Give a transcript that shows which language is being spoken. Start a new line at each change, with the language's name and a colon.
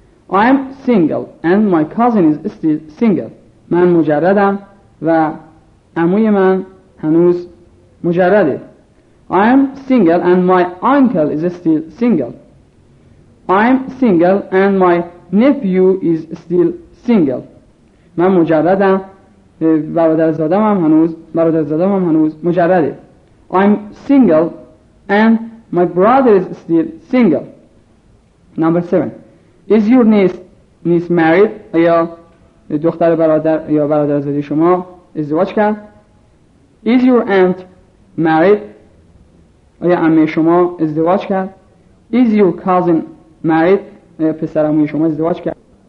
English: I'm single and my cousin is still single.
Persian: من مجردم و عموی من هنوز مجرده.
English: I'm single and my uncle is still single. I'm single and my nephew is still single.
Persian: من مجردم، برادرزادم هم هنوز، برادرزادم هم هنوز مجرده.
English: I'm single and my brother is still single. Number 7. Is your niece married?
Persian: آیا دختر برادر یا برادرزادی شما ازدواج کرد؟
English: Is your aunt married?
Persian: آیا عمه شما ازدواج کرد؟
English: Is your cousin married?
Persian: آیا پسر عموی شما ازدواج کرد؟